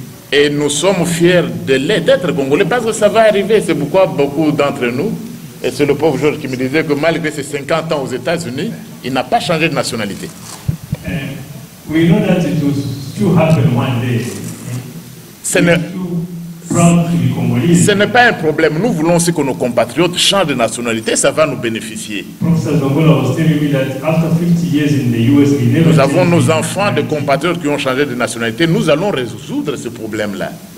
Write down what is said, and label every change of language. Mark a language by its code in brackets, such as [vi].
[fr] Et nous sommes fiers de l'être, d'être Congolais, parce que ça va arriver. C'est pourquoi beaucoup d'entre nous, et c'est le pauvre Georges qui me disait que malgré ses 50 ans aux États-Unis, il n'a pas changé de nationalité. [en] We know that it will still happen one day. [fr] Ce n'est pas un problème. Nous voulons aussi que nos compatriotes changent de nationalité. Ça va nous bénéficier. Nous avons nos enfants de compatriotes qui ont changé de nationalité. Nous allons résoudre ce problème-là.